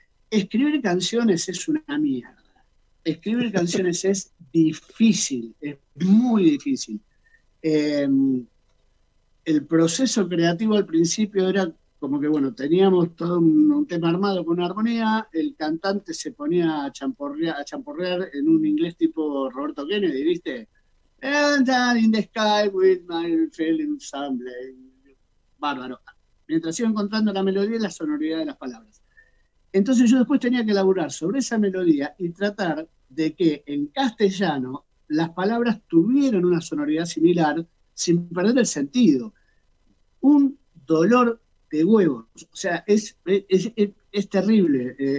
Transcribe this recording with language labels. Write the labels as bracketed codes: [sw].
[es] Escribir canciones es una mierda. Escribir canciones es difícil, es muy difícil. El proceso creativo al principio era como que, bueno, teníamos todo un tema armado con una armonía, el cantante se ponía a champorrear en un inglés tipo Roberto Kennedy, ¿viste? [en] And in the sky with my feelings humbling. [es] Bárbaro. Mientras iba encontrando la melodía y la sonoridad de las palabras. Entonces yo después tenía que elaborar sobre esa melodía y tratar de que en castellano las palabras tuvieran una sonoridad similar sin perder el sentido. Un dolor de huevos, o sea, es terrible.